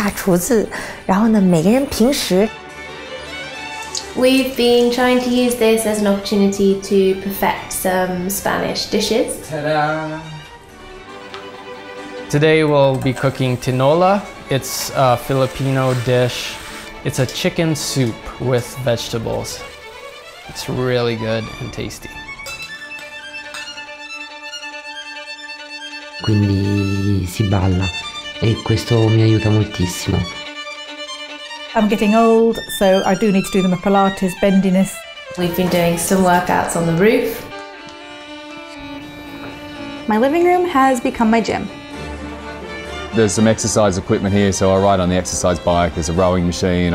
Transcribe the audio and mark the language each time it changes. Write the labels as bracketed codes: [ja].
[zh] 因为这个自我隔离，家里每一个人都变成了大厨子，然后呢，每个人平时。 [en] We've been trying to use this as an opportunity to perfect some Spanish dishes. Ta-da! Today we'll be cooking tinola. It's a Filipino dish. It's a chicken soup with vegetables. It's really good and tasty. [it] Quindi si balla e questo mi aiuta moltissimo. [en] I'm getting old, so I do need to do the Pilates bendiness. We've been doing some workouts on the roof. My living room has become my gym. There's some exercise equipment here, so I ride on the exercise bike. There's a rowing machine.